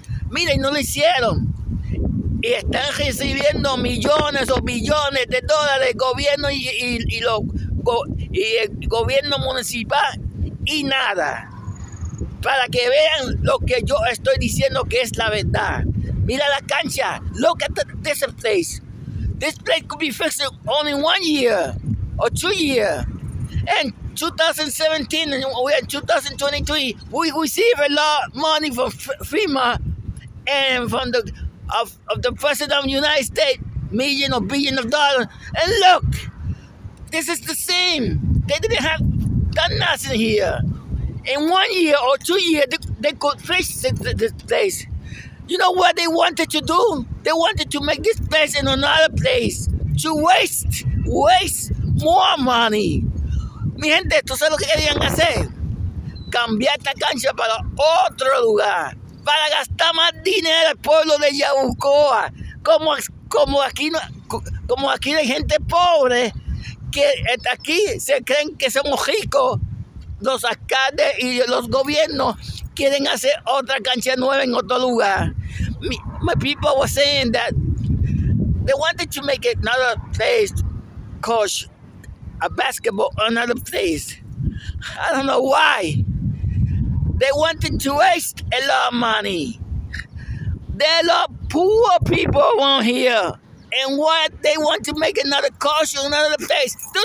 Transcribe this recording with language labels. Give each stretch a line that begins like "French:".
Spanish: Miren, no lo hicieron. Y están recibiendo millones o billones de dólares gobierno y el gobierno municipal y nada. Para que vean lo que yo estoy diciendo que es la verdad. Mira la cancha.
English: Look at this place. This place could be fixed in only 1 year or 2 years. And 2017, and we're in 2023, we receive a lot of money from FEMA and from the President of the United States, million or billion of dollars. And look, this is the same. They didn't have done nothing here. In 1 year or 2 years, they could fix this place. You know what they wanted to do? They wanted to make this place in another place. To waste more money.
Spanish: Mi gente, ¿tú sabes lo que querían hacer? Cambiar esta cancha para otro lugar. Para gastar más dinero al pueblo de Yabucoa. Como aquí hay gente pobre que está aquí, se creen que somos ricos. Los alcaldes y los gobiernos quieren hacer otra cancha nueva en otro lugar.
English: My people were saying that they wanted to make another place, coach, a basketball, another place. I don't know why. They wanted to waste a lot of money. There are a lot of poor people around here. And what, they want to make another coach, another place.